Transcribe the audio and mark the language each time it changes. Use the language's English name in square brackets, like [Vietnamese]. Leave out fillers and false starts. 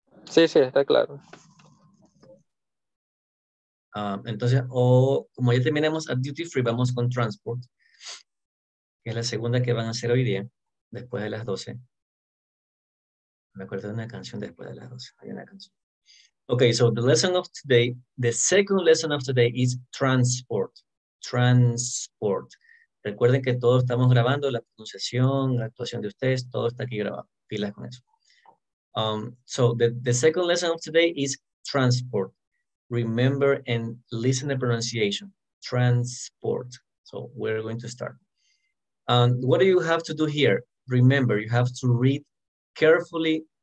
[Spanish] Sí, está claro. Entonces, como ya terminamos at duty free, vamos con transport, que es la segunda que van a hacer hoy día, después de las 12. Me acuerdo de una canción después de las 12. Hay una canción. [English] Ok, so the lesson of today, the second lesson of today is transport. Transport. [Spanish] Recuerden que todos estamos grabando la pronunciación, la actuación de ustedes, todo está aquí grabado. Pilas con eso. [English] So the second lesson of today is transport. Remember and listen the pronunciation. Transport. So we're going to start. What do you have to do here? Remember, you have to read carefully.